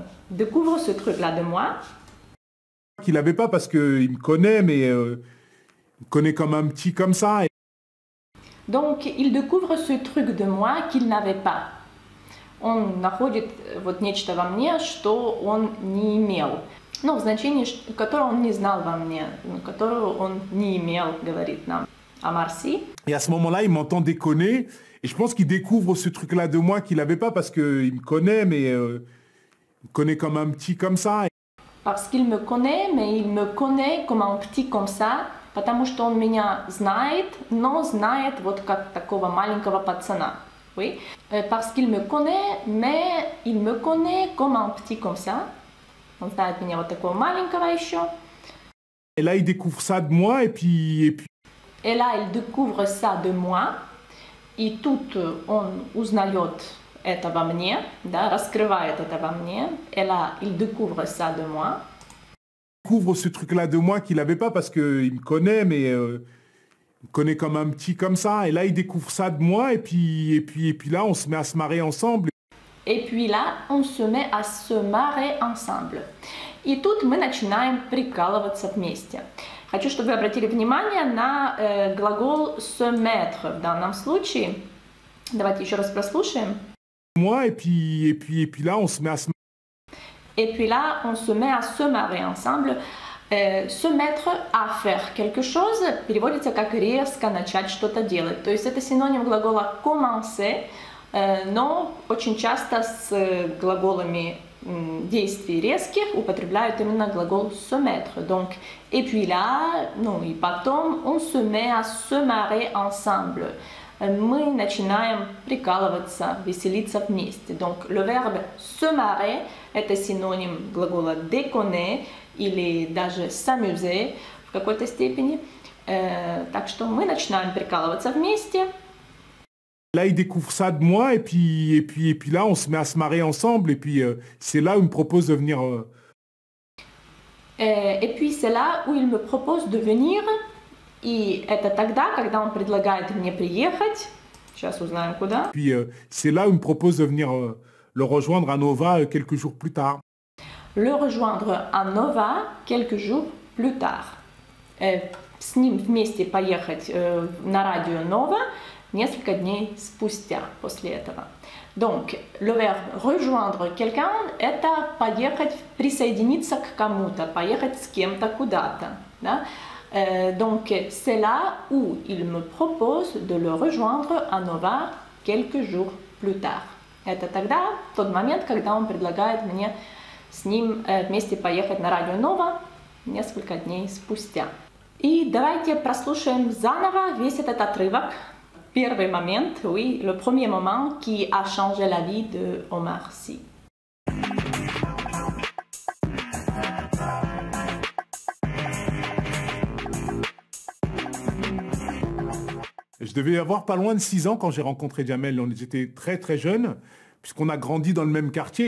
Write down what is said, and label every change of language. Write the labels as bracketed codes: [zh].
[fr] Découvre ce truc-là de moi. Qu'il n'avait pas parce qu'il me connaît, mais il me connaît comme un petit comme ça. Et... Donc, il découvre ce truc de moi qu'il n'avait pas. [ru] Он находит вот нечто во мне, что он не имел. Ну, в значении, которое он не знал во мне, которого он не имел, говорит нам Амар Си. И в этот момент он меня [fr] déconner, [ru] и я думаю, что он [fr] découvre ce truc-là de moi qu'il n'avait pas, parce qu'il me connaît, mais il me connaît comme un petit comme ça. Parce qu'il me connaît, mais il me connaît comme un petit comme ça, [ru] потому что он меня знает, но знает вот как такого маленького пацана. [fr] Oui, parce qu'il me connaît, mais il me connaît comme un petit comme ça. [ru] Он знает меня вот такого маленького еще. [fr] Et là, il découvre ça de moi, et puis... Et là, il découvre ça de moi, [ru] И тут он узнает это во мне, да, раскрывает это во мне. [fr] Et là, il découvre ça de moi. Découvre ce truc-là de moi qu'il n'avait pas parce qu'il me connaît, mais il me connaît comme un petit comme ça. Et là, il découvre ça de moi et puis là, on se met à se marrer ensemble. Et puis là, on se met à se marrer ensemble. [ru] И тут мы начинаем прикалываться вместе. Хочу, чтобы вы обратили внимание на глагол «se mettre» в данном случае. Давайте еще раз прослушаем. [fr] Moi, et puis là, on se met à se marrer. Et puis là, on se met à se marrer ensemble. Se mettre à faire quelque chose [ru] переводится как резко начать что-то делать. То есть это синоним глагола «commencer», но очень часто с глаголами действий резких употребляют именно глагол se mettre. [fr] Donc, et puis là, [ru] ну и потом, [fr] on se met à se marrer ensemble. [ru] Мы начинаем прикалываться, веселиться вместе. [fr] Donc, le verbe se marrer, [ru] это синоним глагола déconner или даже s'amuser в какой-то степени. Так что мы начинаем прикалываться вместе. [fr] Là, il découvre ça de moi et puis là, on se met à se marrer ensemble c'est là où il me propose de venir. Et puis c'est là où il me propose de venir. [ru] Et это тогда, когда он предлагает мне приехать. Сейчас узнаем куда. [fr] Puis c'est là où il me propose de venir le rejoindre à Nova quelques jours plus tard. Le rejoindre à Nova quelques jours plus tard. [ru] С ним вместе поехать на радио Nova. Несколько дней спустя после этого. [fr] Donc, le verbe rejoindre quelqu'un, [ru] это поехать, присоединиться к кому-то, поехать с кем-то куда-то. Да? [fr] Donc, c'est là où il me propose de le rejoindre à Nova quelques jours plus tard. [ru] Это тогда, тот момент, когда он предлагает мне с ним вместе поехать на радио Nova несколько дней спустя. И давайте прослушаем заново весь этот отрывок. Первый момент, [fr] oui, le premier moment qui a changé la vie de Omar Sy. Je devais avoir pas loin de 6 ans quand j'ai rencontré Jamel. On était très très jeunes, puisqu'on a grandi dans le même quartier.